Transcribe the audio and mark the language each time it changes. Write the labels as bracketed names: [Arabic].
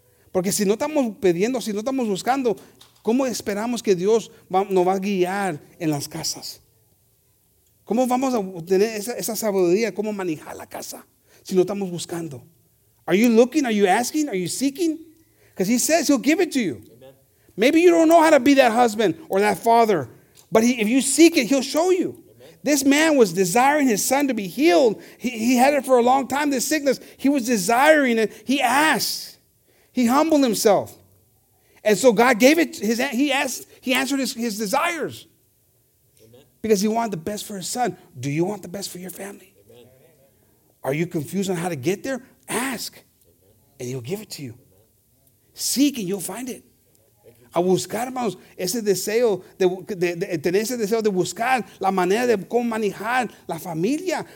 [Spanish] Porque si no estamos pidiendo, si no estamos buscando, ¿cómo esperamos que Dios nos va a guiar en las casas? ¿Cómo vamos a tener esa sabiduría? ¿Cómo manejar la casa si no estamos buscando? [English] Are you looking? Are you asking? Are you seeking? Because he says he'll give it to you. Amen. Maybe you don't know how to be that husband or that father, but if you seek it, he'll show you. This man was desiring his son to be healed. He had it for a long time, this sickness. He was desiring it. He asked. He humbled himself. And so God gave it. He answered his desires. Amen. Because he wanted the best for his son. Do you want the best for your family? Amen. Are you confused on how to get there? Ask. Amen. And he'll give it to you. Amen. Seek and you'll find it. [Spanish] A buscar, hermanos, ese deseo de tener ese deseo de buscar la manera de cómo manejar la familia.